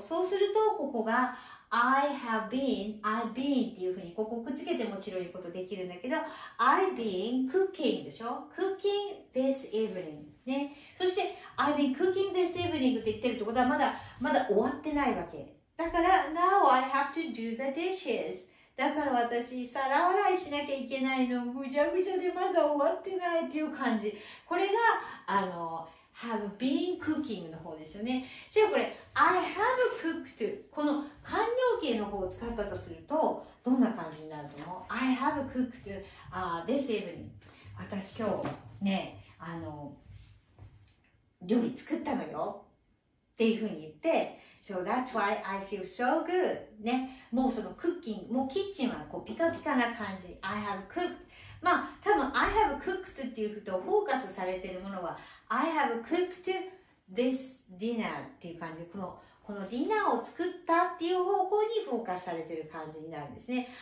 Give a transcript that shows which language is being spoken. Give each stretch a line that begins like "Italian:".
Japanese: そうするとここが I have been、 I've been っていう風にここくっつけてもちろんいうことできるんだけど、 I've been cooking でしょ、 cooking this evening ね、そして
English: I've been cooking this evening
Japanese: って言ってるってことはまだ終わってないわけだから、
English: Now I have to do the dishes、
Japanese: だから私皿洗いしなきゃいけないの、ぐちゃぐちゃでまだ終わってないっていう感じ、これがHave been cooking の方ですよね。じゃあこれ I have cooked、 この完了形の方を使ったとするとどんな感じになると思う？ I have cooked、this evening、 私今日ね、料理作ったのよっていう風に言って、
English: So that's why I feel so good
Japanese: ね。もうそのクッキング、もうキッチンはこうピカピカな感じ、 I have cooked、 まあ多分 I have cooked っていう風とフォーカスされているものは
English: I have cooked this dinner
Japanese: っていう感じで、このディナーを作ったっていう方向にフォーカスされている感じになるんですね。